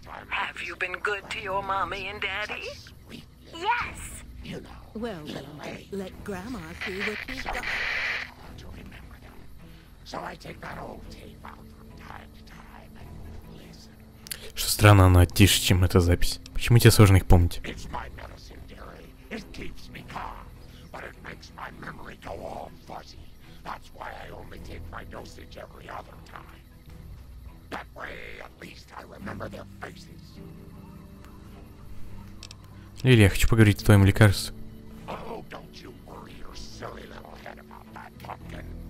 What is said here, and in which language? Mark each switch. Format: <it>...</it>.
<en>Have you been good to your mommy and daddy? Yes. Well, let Grandma see what you've got. I want to remember them. So I take that old tape out from time to time and listen.</en> <ru>Что странно, она тише, чем эта запись. Почему тебе сложно их помнить?</ru> <en>It's my medicine, dearie. It keeps me calm. But it makes my memory go all fuzzy. That's why I only take my dosage every other time. That way, at least, I remember their faces.</en> <ru>Лили, я хочу поговорить с твоим лекарством.</ru> <en>Oh, don't you worry your silly little head about that pumpkin.</en>